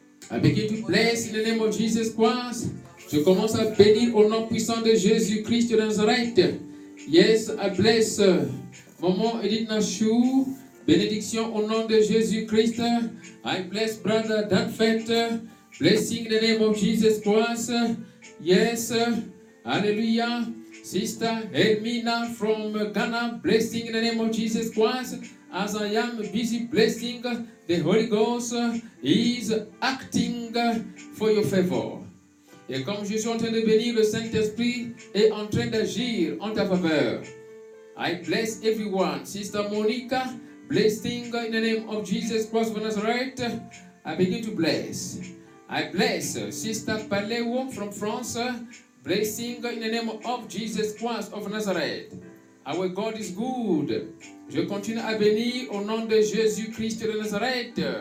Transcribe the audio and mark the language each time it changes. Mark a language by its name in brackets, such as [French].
[English] I begin to bless in the name of Jesus Christ. [French] Je commence à bénir au nom puissant de Jésus Christ de Nazareth. [English] Yes, I bless. [French] Maman Edith Nashu, bénédiction au nom de Jésus Christ. [English] I bless brother Danfet. Blessing in the name of Jesus Christ. Yes, alléluia. Sister Hermina from Ghana, blessing in the name of Jesus Christ. As I am busy blessing, the Holy Ghost is acting for your favor. [French] Et comme je suis en train de bénir, le Saint-Esprit est en train d'agir en ta faveur. [English] I bless everyone. Sister Monica, blessing in the name of Jesus Christ of Nazareth. I begin to bless. I bless Sister Paleo from France. Blessing in the name of Jesus Christ of Nazareth. Our God is good. [French] Je continue à bénir au nom de Jésus Christ de Nazareth.